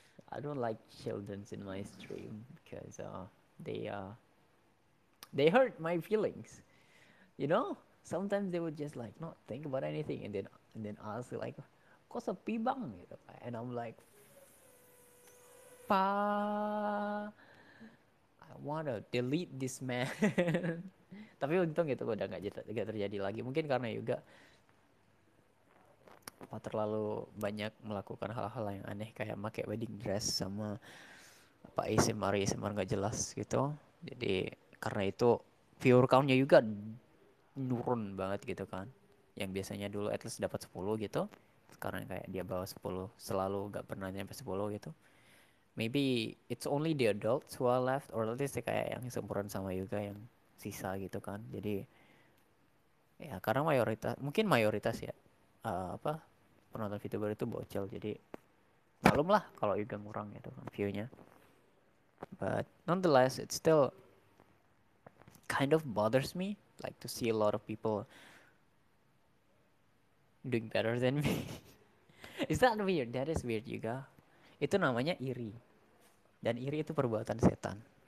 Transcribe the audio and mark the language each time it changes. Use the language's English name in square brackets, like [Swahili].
[English] I don't like children in my stream because they hurt my feelings. You know? Sometimes they would just like not think about anything and then ask like [Indonesian] "Kok sepi bang?" gitu. [English] And I'm like I want to delete this man. [Indonesian] Tapi untung itu udah enggak terjadi lagi. Mungkin karena juga apa terlalu banyak melakukan hal-hal yang aneh kayak pakai wedding dress sama apa ASMR nggak jelas gitu, jadi karena itu viewer count-nya juga nurun banget gitu kan, yang biasanya dulu at least dapat 10 gitu, sekarang kayak dia bawa 10 selalu, nggak pernah nyampe 10 gitu. [English] Maybe it's only the adults who are left, or at least [Indonesian] kayak yang sempurna sama juga yang sisa gitu kan. Jadi ya karena mayoritas ya apa penonton VTuber itu bocil, jadi malum lah kalau juga ngurang gitu kan view-nya. [English] But nonetheless, it still kind of bothers me like to see a lot of people doing better than me. Is that weird? That is weird juga. [Indonesian] Itu namanya iri. Dan iri itu perbuatan setan.